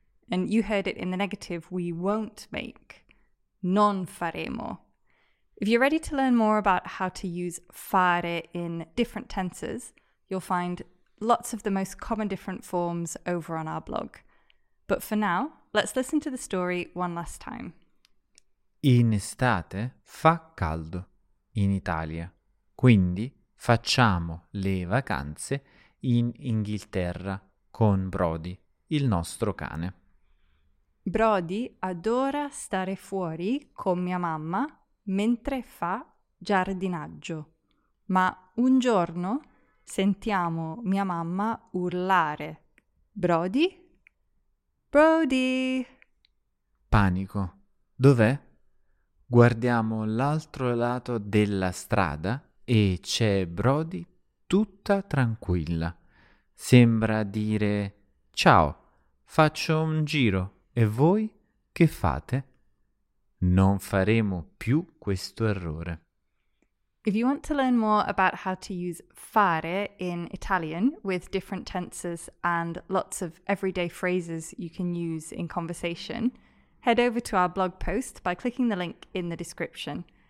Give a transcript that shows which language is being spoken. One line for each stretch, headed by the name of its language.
English: And you heard it in the negative, we won't make.
Italian: Non faremo.
English: If you're ready to learn more about how to use fare in different tenses, you'll find lots of the most common different forms over on our blog. But for now, let's listen to the story one last time.
Italian: In estate fa caldo in Italia, quindi facciamo le vacanze in Inghilterra con Brody, il nostro cane. Brody adora stare fuori con mia mamma mentre fa giardinaggio, ma un giorno sentiamo mia mamma urlare, Brody? Brody! Panico. Dov'è? Guardiamo l'altro lato della strada e c'è Brody tutta tranquilla. Sembra dire, ciao, faccio un giro e voi che fate? Non faremo più questo errore.
English: If you want to learn more about how to use fare in Italian with different tenses and lots of everyday phrases you can use in conversation, head over to our blog post by clicking the link in the description.